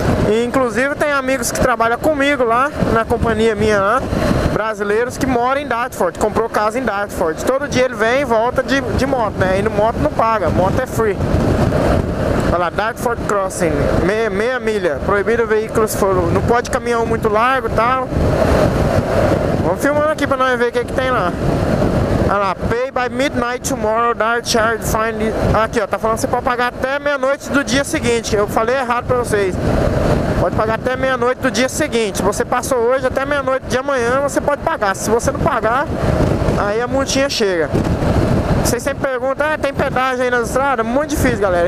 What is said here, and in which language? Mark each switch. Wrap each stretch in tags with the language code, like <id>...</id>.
<pt>E inclusive tem amigos que trabalham comigo lá, na companhia minha lá, brasileiros que moram em Dartford, comprou casa em Dartford. Todo dia ele vem e volta de moto, né? E no moto não paga, moto é free. Olha lá, Dartford Crossing, meia milha, proibido veículos, não pode caminhão muito largo e tal. Vamos filmando aqui pra nós ver o que tem lá. Olha lá,</pt> <en>pay by midnight tomorrow, dark charge, find it.</en> <pt>Aqui ó, tá falando que você pode pagar até meia-noite do dia seguinte. Eu falei errado pra vocês. Pode pagar até meia-noite do dia seguinte. Você passou hoje, até meia-noite de amanhã você pode pagar. Se você não pagar, aí a multinha chega. Vocês sempre perguntam, ah, tem pedágio aí na estrada? Muito difícil, galera.</pt>